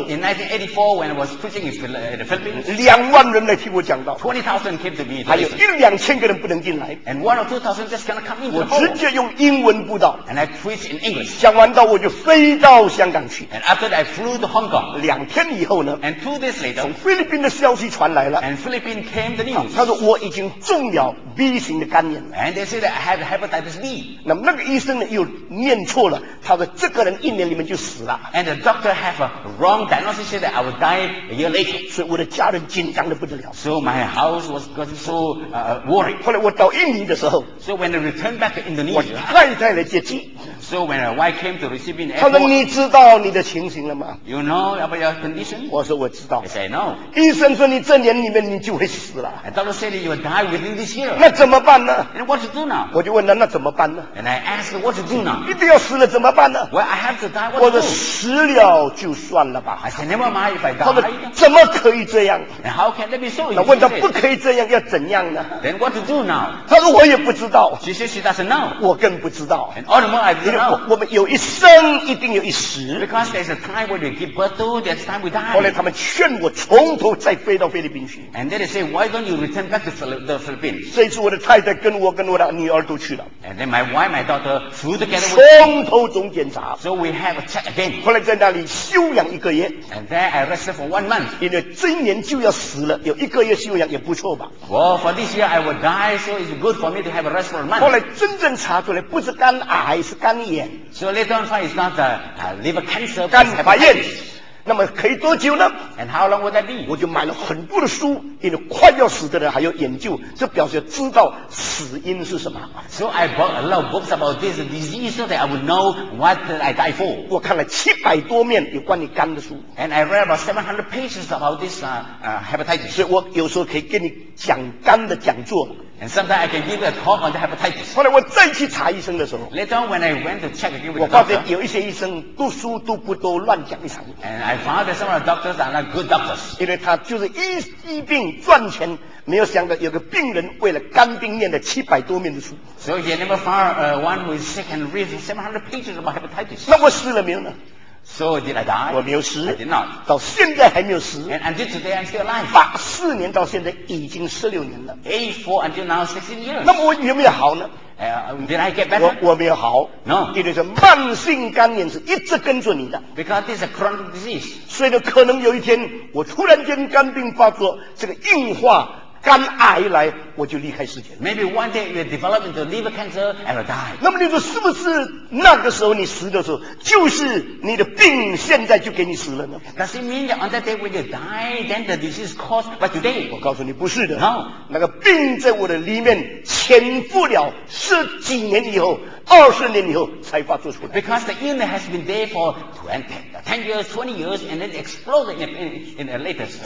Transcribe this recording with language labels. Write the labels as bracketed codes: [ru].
[en] ，In 1984, when I was preaching in the Philippines, [zh] 20,000人来听我讲道 [en] ，20,000 came to me, [zh] 还有1-2千个人不能进来 [en] ，And 1 or 2,000 just cannot come in. [zh] 我直接用英文布道 [en] ，And I preach in English. [zh] 讲完道我就飞到香港去 [en] ，And after that, I flew to Hong Kong. [zh] 2天以后呢 [en] ，And 2 days later, [zh] 从菲律宾的消息传来了 [en] ，And Philippines came the news. [zh] 他说我已经中了 B 型的肝炎 [en] ，And they said I have hepatitis B. [zh] 那么那个医生呢又念错了，他说这个人一年里面就死。 [en] And the doctor have a wrong diagnosis, said that I would die a year later. [zh] 所以我的家人紧张得不得了。 [en] So my house was getting so worried. [zh] 后来我到印尼的时候 [en] ，So when I returned back to Indonesia, [zh] 我太太来接机。 [en] So when my wife came to receive me in the airport, [zh] 他说你知道你的情形了吗 [en] ？You know about your condition? [zh] 我说我知道。 [en] I said no. [zh] 医生说你这年里面你就会死了。 [en] And doctor said that you will die within this year. [zh] 那怎么办呢 [en] ？And what to do now? [zh] 我就问他那怎么办呢 [en] ？And I asked what to do now? [zh] 一定要死了怎么办呢 [en] ？Well, I have to die. What to do? [zh] 死了就算了吧。 [en] I said, never mind if I die. 他 [zh] 们怎么可以这样？ [en] And how can that be so? [zh] 那问他不可以这样，要怎样呢？ [en] Then what to do now? [zh] 他说我也不知道。 [en] She said she doesn't know. [zh] 我更不知道。 [en] And all the more I don't know. [zh] 我们有一生，一定有一时。 [en] Because there's a time when we give birth to, there's time we die. [zh] 后来他们劝我从头再飞到菲律宾去。 [en] And then they say, why don't you return back to the Philippines? [zh] 这次我的太太跟我的女儿都去了。 [en] And then my wife, my daughter flew together. [zh] 从头总检查。 [en] So we have a check again. [zh] 后来在那里休养一个月 [en] ，and then I rested for 1 month. [zh] 因为今年就要死了，有一个月休养也不错吧。 [en] Well, for this year I will die, so it's good for me to have a rest for a month. [zh] 后来真正查出来不是肝癌，是肝炎。 [en] So later on find it's not a liver cancer, [zh] 肝发炎。那么可以多久呢 [en] ？And how long would that be？ [zh] 我就买了很多的书，因为快要死的人还要研究，这表示知道死因是什么。 [en] So I bought a lot of books about this disease so that I would know what I die for。 [zh] 我看了700多面有关于肝的书。 [en] And I read about 700 pages about this hepatitis。 [zh] 所以我有时候可以跟你讲肝的讲座。 [en] And sometimes I can give a talk on the hepatitis. [zh] 后来我再去查医生的时候 [en] ，Later on when I went to check again with the doctor, [zh] 我发现有一些医生读书读不多，乱讲一场。 [en] And I found that some of the doctors are not good doctors. [zh] 因为他就是医病赚钱，没有想到有个病人为了肝病念了700多面的书。 [en] So he never found one who is sick and read 700 pages about hepatitis. [zh] 那我死了没有呢？ [en] So did I die? [zh] 我没有死。 [en] I did not. [zh] 到现在还没有死。 [en] And until today I'm still alive. [zh] 84年到现在已经16年了。 [en] 84 until now 16 years. [zh] 那么我有没有好呢？ [en] Did I get better? [zh] 我没有好。 [en] No. It is a [zh] 慢性肝炎，是一直跟着你的。 [en] Because this is a chronic disease. [zh] 所以呢，可能有一天我突然间肝病发作，这个硬化。肝癌来，我就离开世界。 [en] Maybe one day you develop into liver cancer and I die. [zh] 那么你说是不是那个时候你死的时候，就是你的病现在就给你死了呢 [en] ？Does it mean that on that day when you die, then the disease caused by today? [zh] 我告诉你不是的。 [en] No. [zh] 那个病在我的里面潜伏了十几年以后，20年以后才发作出来。 [en] Because the illness has been there for 10 years, 20 years, and then exploded in the latest.